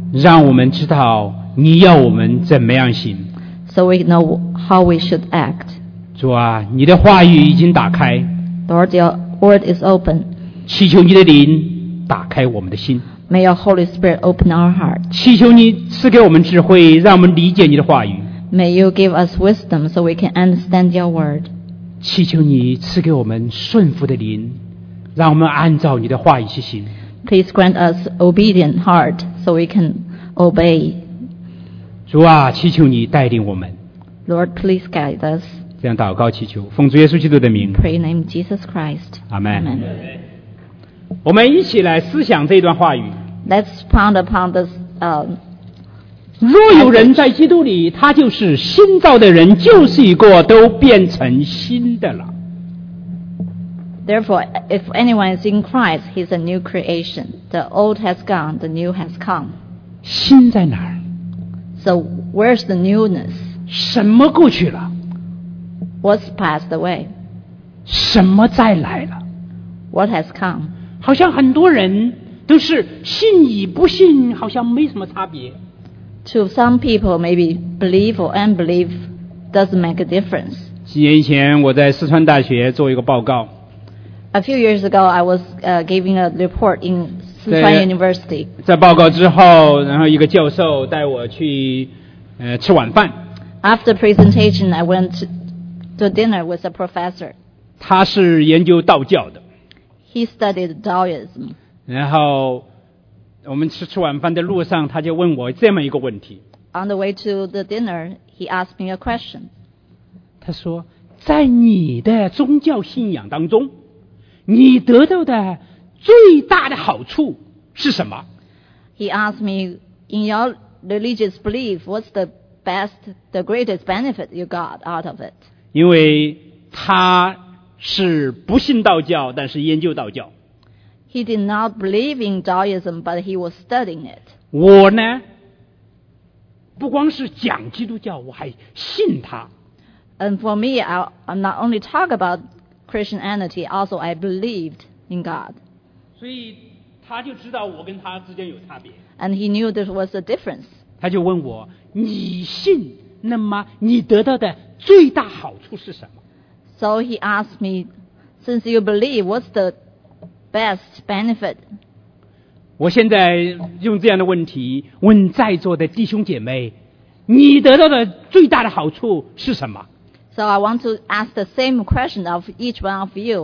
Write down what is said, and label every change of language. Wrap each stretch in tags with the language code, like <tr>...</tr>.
<zh>让我们知道你要我们怎么样行。</zh> <en>So we know how we should act.</en> <zh>主啊，你的话语已经打开。</zh> <en>Lord, your word is open.</en> <zh>祈求你的灵打开我们的心。</zh> <en>May your Holy Spirit open our heart.</en> <zh>祈求你赐给我们智慧，让我们理解你的话语。</zh> <en>May you give us wisdom so we can understand your word.</en> <zh>祈求你赐给我们顺服的灵，让我们按照你的话语去行。</zh> <en>Please grant us obedient heart so we can obey.</en> <zh>主啊，祈求你带领我们。</zh> <en>Lord, please guide us.</en> <zh>这样祷告祈求，奉主耶稣基督的名。</zh> <en>Pray in the name of Jesus Christ. Amen. Amen.</en> <zh>我们一起来思想这段话语。</zh> <en>Let's ponder upon this.</en> <zh>若有人在基督里，他就是新造的人，旧事已过，都变成新的了。</zh> <en>Therefore, if anyone is in Christ, he's a new creation. The old has gone, the new has come.</en> <zh>新在哪儿？</zh> <en>So where's the newness?</en> <zh>什么过去了？</zh> <en>What's passed away?</en> <zh>什么再来了？</zh> <en>What has come?</en> <zh>好像很多人都是信与不信好像没什么差别。</zh> <en>To some people, maybe believe or unbelieve doesn't make a difference.</en> <zh>几年前我在四川大学做一个报告。</zh> <en>A few years ago, I was giving a report in 四川 University.</en> <zh>在报告之后，然后一个教授带我去吃晚饭。</zh> <en>After presentation, I went to dinner with a professor.</en> <zh>他是研究道教的。</zh> <en>He studied Taoism.</en> <zh>然后我们吃晚饭的路上，他就问我这么一个问题。</zh> <en>On the way to the dinner, he asked me a question.</en> <zh>他说，在你的宗教信仰当中，你得到的最大的好处是什么？</zh> <en>He asked me, in your religious belief, what's the best, the greatest benefit you got out of it?</en> <zh>因为他是不信道教，但是研究道教。</zh> <en>He did not believe in Taoism, but he was studying it.</en> <zh>我呢，不光是讲基督教，我还信他。</zh> <en>And for me, I'm not only talk about Christianity, also I believed in God.</en> <zh>所以他就知道我跟他之间有差别。</zh> <en>And he knew there was a difference.</en> <zh>他就问我，你信，那么你得到的最大好处是什么？</zh> <en>So he asked me, since you believe, what's the best benefit?</en> <zh>我现在用这样的问题问在座的弟兄姐妹，你得到的最大的好处是什么？</zh> <en>So I want to ask the same question of each one of you.</en>